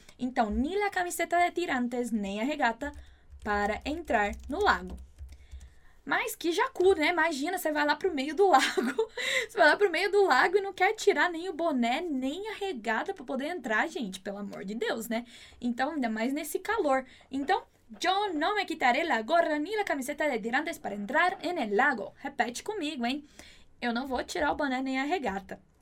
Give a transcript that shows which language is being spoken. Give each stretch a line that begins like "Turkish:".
Portuguese: Então,
Spanish: ni la camiseta de tirantes,
Portuguese: nem a regata para entrar no lago. Mas que jacu, né? Imagina, você vai lá pro meio do lago. Você vai lá pro meio do lago e não quer tirar nem o boné, nem a regata para poder entrar, gente. Pelo amor de Deus, né? Então, ainda mais nesse calor. Então,
Spanish: Yo no me quitaré la gorra ni la camiseta de tirantes para entrar en el lago.
Portuguese: Repete conmigo, hein? Eu não vou tirar o boné nem a regata.